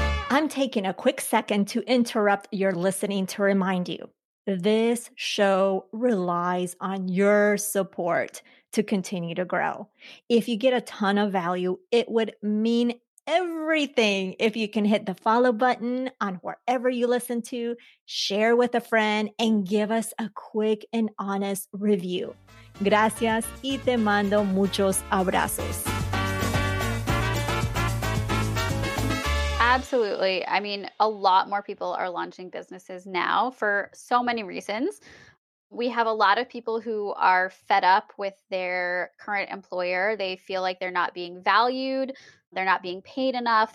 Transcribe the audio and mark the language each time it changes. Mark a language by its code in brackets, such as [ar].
[en] I'm taking a quick second to interrupt your listening to remind you, this show relies on your support to continue to grow. If you get a ton of value, it would mean everything if you can hit the follow button on wherever you listen to, share with a friend, and give us a quick and honest review. [es] Gracias y te mando muchos abrazos. [en] Absolutely. I mean, a lot more people are launching businesses now for so many reasons. We have a lot of people who are fed up with their current employer. They feel like they're not being valued. They're not being paid enough.